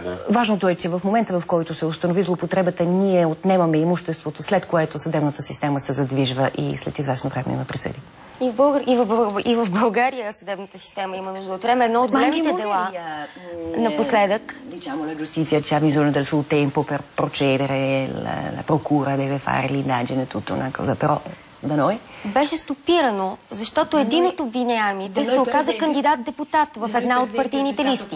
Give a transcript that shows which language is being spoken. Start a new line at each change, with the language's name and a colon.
Bulgarian: важното е, че в момента, в който се установи злоупотребата, ние отнемаме имуществото, след което съдебната система се задвижва и след известно време има присъди. И в България съдебната система има нужда от време. Едно от големите дела напоследък.
Italian: Diciamo la giustizia c'ha bisogno del suo tempo per procedere, la procura deve fare l'indagine, tutta una cosa, però da noi.
Bulgarian: Беше стопирано, защото един от обвиняемите се оказа кандидат депутат в една от партийните листи.